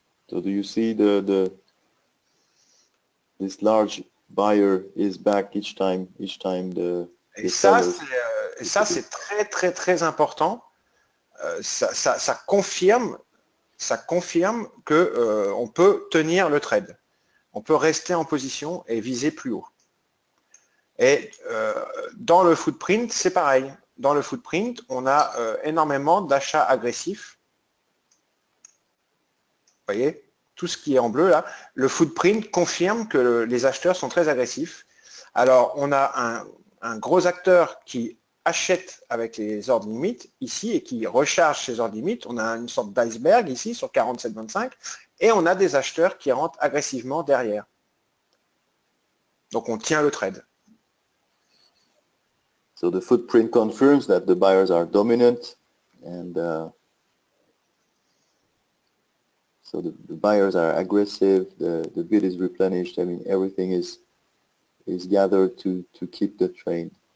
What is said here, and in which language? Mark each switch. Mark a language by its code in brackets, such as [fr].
[en] So do you see this large buyer is back each time the [fr] et ça c'est très très très important. Ça confirme que on peut tenir le trade. On peut rester en position et viser plus haut. Et dans le footprint, c'est pareil. Dans le footprint, on a énormément d'achats agressifs. Vous voyez, tout ce qui est en bleu là, le footprint confirme que les acheteurs sont très agressifs. Alors, on a un gros acteur qui achète avec les ordres limites ici et qui recharge ses ordres limites. On a une sorte d'iceberg ici sur 47,25 et on a des acheteurs qui rentrent agressivement derrière. Donc, on tient le trade. [en] So the footprint confirms that the buyers are dominant, and so the buyers are aggressive. The bid is replenished. I mean, everything is gathered to keep the train.